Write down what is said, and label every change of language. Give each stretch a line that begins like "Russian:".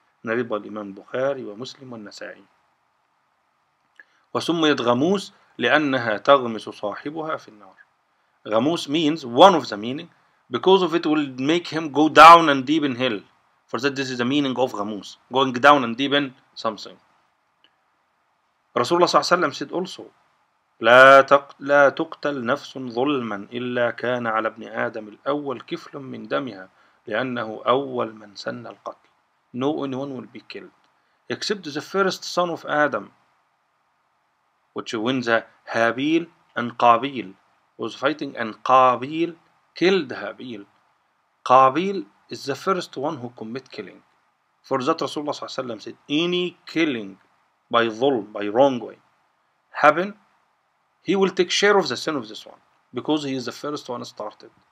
Arabic: نريد
English: by
Arabic: الإمام البخاري ومسلم والنسائي وسميت غموس لأنها تغمس صاحبها في النار.
English: غموس means one of the meaning, because of it will make him go down and deep in hell. For that, this is the meaning of ghamus, going down and deepen something.
Arabic: Rasulullah صلى الله عليه وسلم
English: said also,
Arabic: لا تقتل نفس ظلما إلا كان على ابن آدم الأول كفل من دمها لأنه أول من سن القتل.
English: No anyone will be killed except the first son of Adam, which wins Habil and Qabil, was fighting, and Qabil killed Habil. Qabil is the first one who commit killing. For that Rasulullah صلى الله عليه وسلم said, any killing by ظلم, by wrong way, happen, he will take share of the sin of this one, because he is the first one started.